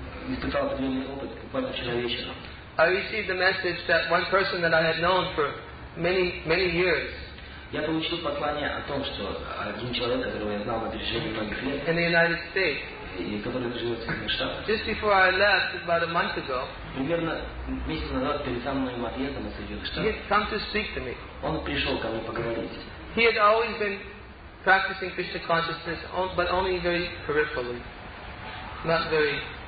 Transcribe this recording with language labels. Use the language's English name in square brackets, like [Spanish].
[Russian] Испытал определенный опыт буквально вчера вечером. [English] I received a message that one person that I had known for many, many years. [Russian] Я получил послание о том, что один человек, которого я знал на протяжении многих лет, [English] in the United States, [Russian] и который живет в Соединенных Штатах, [English] just before I left, about a month ago, [Russian] примерно месяц назад, перед самым моим отъездом из Соединенных Штатов, [English] he had come to speak to me. [Russian] Он пришел ко мне поговорить. [English] He had always been practicing Krishna consciousness, but only very peripherally, not very.